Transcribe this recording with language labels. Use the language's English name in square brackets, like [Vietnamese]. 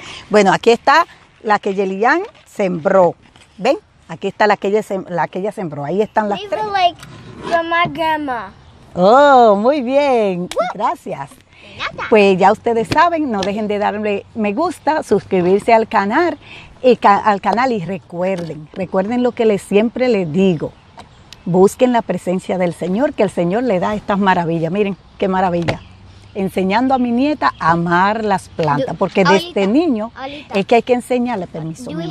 [Spanish] Bueno, aquí está la que Yelian sembró. Ven. Aquí está la que ella sembró. Ahí están las tres. [English] Leave a like from my grandma. [Spanish] Oh, muy bien. Gracias. Pues ya ustedes saben, no dejen de darle me gusta, suscribirse al canal y recuerden lo que siempre les digo. Busquen la presencia del Señor, que el Señor le da estas maravillas. Miren, qué maravilla. Enseñando a mi nieta a amar las plantas, porque desde niño es que hay que enseñarle permiso.